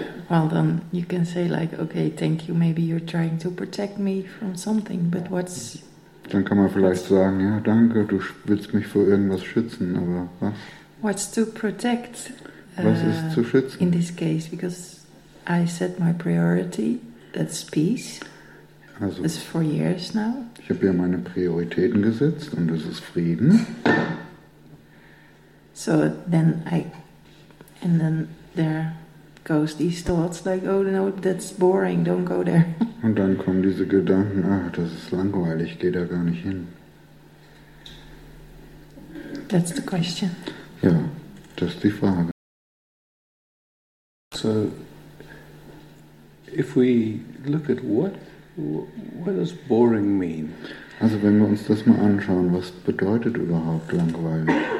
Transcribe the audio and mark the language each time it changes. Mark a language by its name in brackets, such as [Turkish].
[English] Well, then you can say like, okay, thank you, maybe you're trying to protect me from something, but what's... [German] Dann kann man vielleicht sagen, ja, danke, du willst mich vor irgendwas schützen, aber was? [English] What's to protect? [German] Was ist zu schützen? [English] In this case, because I set my priority, that's peace. Also, it's for years now. [German] Ich habe ja meine Prioritäten gesetzt und das ist Frieden. [English] So then I... And then there... goes these thoughts like, oh no, that's boring, don't go there. [German] Und dann kommen diese Gedanken, ach, das ist langweilig, geh da gar nicht hin. [English] That's the question. [German] Ja, das ist die Frage. [English] So, if we look at what does boring mean? [German] Also wenn wir uns das mal anschauen, was bedeutet überhaupt langweilig?